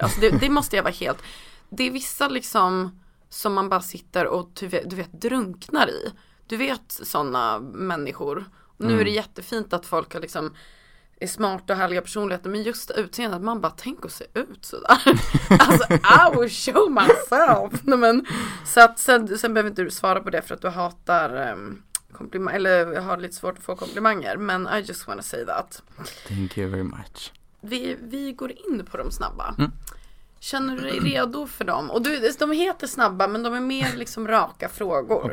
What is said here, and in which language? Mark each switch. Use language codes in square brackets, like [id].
[sv] Alltså det måste jag vara helt. Det är vissa liksom som man bara sitter och du vet, drunknar i. Du vet sådana människor. Och nu är det jättefint att folk har liksom är smarta och härliga personligheter, men just utseendet, man bara tänker att se ut sådär. [en] Alltså, I will show myself. [sv] Men, så att sen behöver inte du svara på det för att du hatar komplimanger, eller har lite svårt att få komplimanger, men [en] I just wanna say that. Thank you very much. [sv] Vi går in på de snabba. Känner du dig redo för dem? Och du, de heter snabba, men de är mer liksom raka frågor.